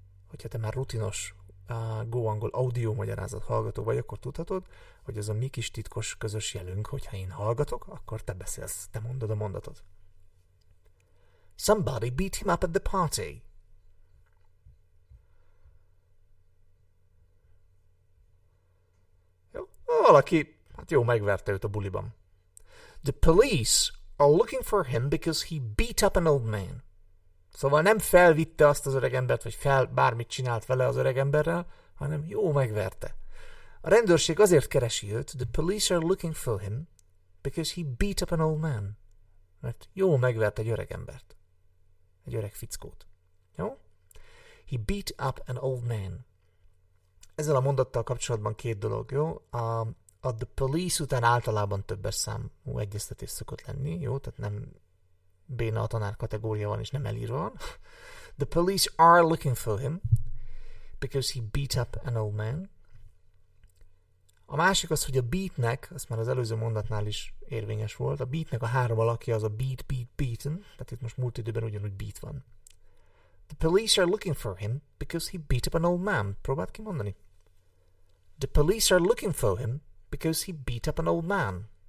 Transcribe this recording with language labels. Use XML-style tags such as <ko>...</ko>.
<hu>Hogyha te már rutinos Go Angol audio magyarázat hallgató vagy, akkor tudhatod, hogy ez a mi kis titkos közös jelünk, hogyha én hallgatok, akkor te beszélsz, te mondod a mondatot.</hu> <en>Somebody beat him up at the party.</en> <hu>Valaki, hát jó, megverte őt a buliban.</hu> <en>The police are looking for him because he beat up an old man.</en> <hu>Szóval nem felvitte azt az öreg embert, vagy fel bármit csinált vele az öreg emberrel, hanem jó, megverte. A rendőrség azért keresi őt,</hu> <en>the police are looking for him because he beat up an old man.</en> <hu>Mert jó, megverte egy öreg embert. Egy öreg fickót. Jó?</hu> <en>He beat up an old man.</en> <hu>Ezzel a mondattal kapcsolatban két dolog, jó? A the police után általában többes számú egyeztetés szokott lenni, jó? Tehát nem béna a tanár kategória van, és nem elírva van.</hu> <en>The police are looking for him because he beat up an old man.</en> <hu>A másik az, hogy a beatnek, az már az előző mondatnál is érvényes volt, a beatnek a három alakja az a beat, beat, beaten, tehát itt most múlt időben ugyanúgy beat van.</hu> <en>The police are looking for him because he beat up an old man.</en> <hu>Próbáld kimondani.</hu> <en>The police are looking for him because he beat up an old man.</en>